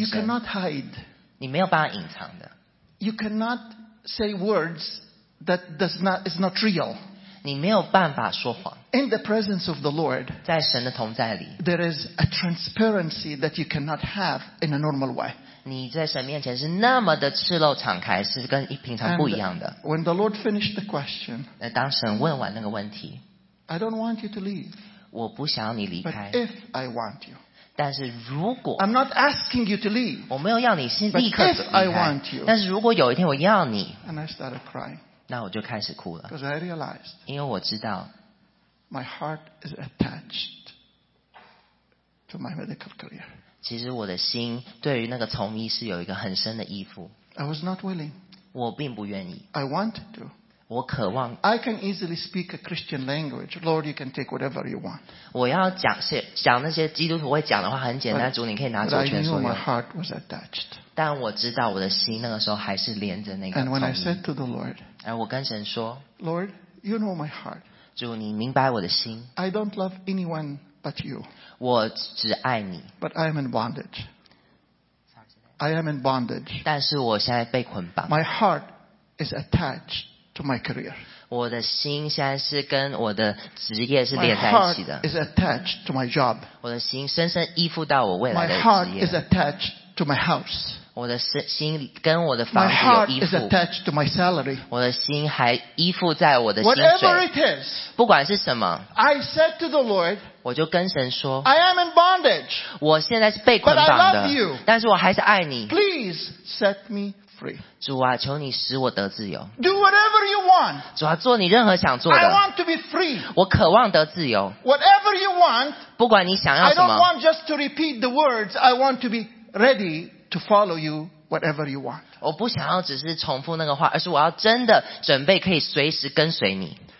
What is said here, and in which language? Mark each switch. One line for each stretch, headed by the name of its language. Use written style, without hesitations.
English: You cannot hide.
Chinese: 你没有办法隐藏的
English: You cannot say words that does not, is not real.
Chinese: 你没有办法说谎。
English: In the presence of the Lord,
Chinese: 在神的同在里
English: ，there is a transparency that you cannot have in a normal way.
Chinese: 你在神面前是那么的赤露敞开，是跟平常不一样的。
English: When the Lord finished the question,
Chinese: 当神问完那个问题
English: ，I don't want you to leave.
Chinese: 我不想你离开。
English: But if I want you,
Chinese: 但是如果
English: I'm not asking you to leave.
Chinese: 我没有要你是立刻离开。
English: But if I want you,
Chinese: 但是如果有一天我要你
English: ，and I started crying.
Chinese: 那我就开始哭了
English: Because I realized,
Chinese: 因为我知道
English: my heart is attached to my medical career.
Chinese: 其实我的心对于那个从医是有一个很深的依附
English: I was not willing.
Chinese: 我并不愿意
English: I wanted to.
Chinese: 我渴望
English: I can easily speak a Christian language. Lord, you can take whatever you want.
Chinese: 我要 讲那些基督徒会讲的话很简单
English: but,
Chinese: 主你可以拿走全所有
English: But I knew my heart was attached.
Chinese: 但我知道我的心那个时候还是连着那个从医
English: And when I said to the Lord,
Chinese: 而我跟神说
English: Lord, you know my heart.
Chinese: 主，你明白我的心。
English: I don't love anyone but you.
Chinese: 我只爱你。
English: But I am in bondage. I am in bondage.
Chinese: 但是我现在被捆绑。
English: My heart is attached to my career.
Chinese: 我的心现在是跟我的职业是连在一起的。
English: My heart is attached to my job.
Chinese: 我的心深深依附到我未来的职业。
English: My heart is attached to my house.
Chinese: 我的心跟我的房子有依附。
English: My heart is attached to my salary.
Chinese: 我的心还依附在我的薪
English: 水。Whatever it is,
Chinese: 不管是什么。
English: I said to the Lord,
Chinese: 我就跟神说。
English: I am in bondage.
Chinese: 我现在是被捆绑的。
English: But I love you.
Chinese: 但是我还是爱你。
English: Please set me free.
Chinese: 主啊，求你使我得自由。
English: Do whatever you want.
Chinese: 主啊，做你任何想做的。
English: I want to be free.
Chinese: 我渴望得自由。
English: Whatever you want.
Chinese: 不管你想要什么。
English: I don't want just to repeat the words. I want to be ready. To follow you, whatever you want.
Chinese: 我不想要只是重复那个话，而是我要真的准备可以随时跟随你。